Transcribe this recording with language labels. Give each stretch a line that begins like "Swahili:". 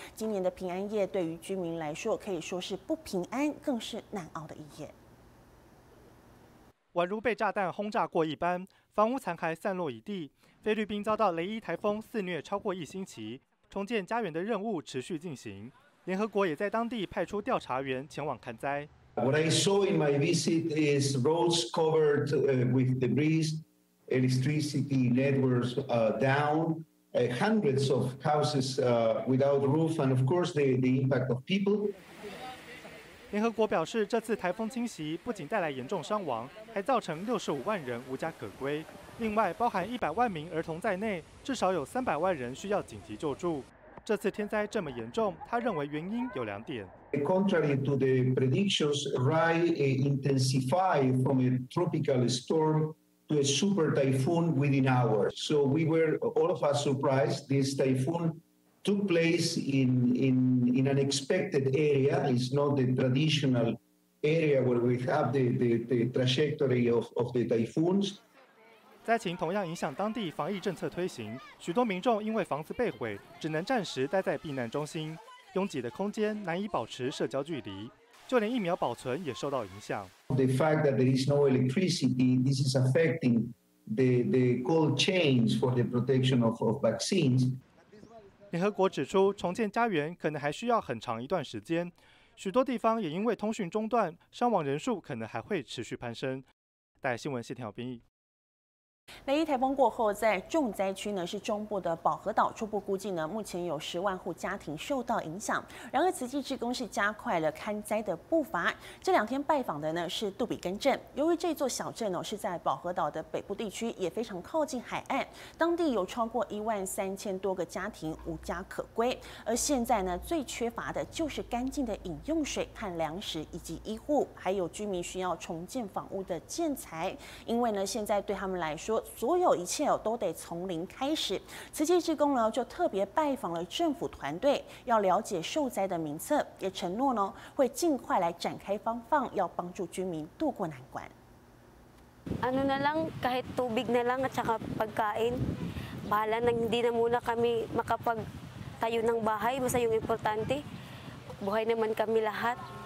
Chinese: 今年的平安夜对于居民来说可以说是不平安，更是难熬的一夜。宛如被炸弹轰炸过一般，房屋残骸散落一地，菲律宾遭到雷伊台风肆虐超过一星期，重建家园的任务持续进行，联合国也在当地派出调查员前往看灾。
English: What I saw in my visit is roads covered with debris, electricity networks down, hundreds of houses without roof, and of course the impact of people.
Chinese: 联合国表示，这次台风侵袭不仅带来严重伤亡，还造成65万人无家可归。另外，包含100万名儿童在内，至少有300万人需要紧急救助。这次天灾这么严重，他认为原因有两点。
English: Contrary to the predictions, Rai intensified from a tropical storm to a super typhoon within hours. So we were all of us surprised. This typhoon took place in an unexpected area. It's not the traditional area where we have the trajectory of the typhoons.
Chinese: 灾情同样影响当地防疫政策推行，许多民众因为房子被毁，只能暂时待在避难中心。拥挤的空间难以保持社交距离，就连疫苗保存也受到影响。
English: The fact that there is no electricity, this is affecting the cold chains for the protection of vaccines.
Chinese: 联合国指出，重建家园可能还需要很长一段时间，许多地方也因为通讯中断，伤亡人数可能还会持续攀升。带新闻谢天兵。雷伊台风过后，在重灾区呢是中部的保和岛，初步估计呢目前有10万户家庭受到影响。然而慈济志工是加快了勘灾的步伐，这两天拜访的呢是杜比根镇。由于这座小镇哦是在保和岛的北部地区，也非常靠近海岸，当地有超过13000多个家庭无家可归，而现在呢最缺乏的就是干净的饮用水和粮食，以及医护，还有居民需要重建房屋的建材，因为呢现在对他们来说，所有一切都得从零开始。慈济志工呢就特别拜访了政府团队，要了解受灾的名册，也承诺呢会尽快来展开方放，要帮助居民渡过难关。
Filipino: ano na lang kahit tubig na lang at saka pagkain, bahala na hindi na muna kami makapagtayo ng bahay, masaya yung importante, buhay naman kami lahat.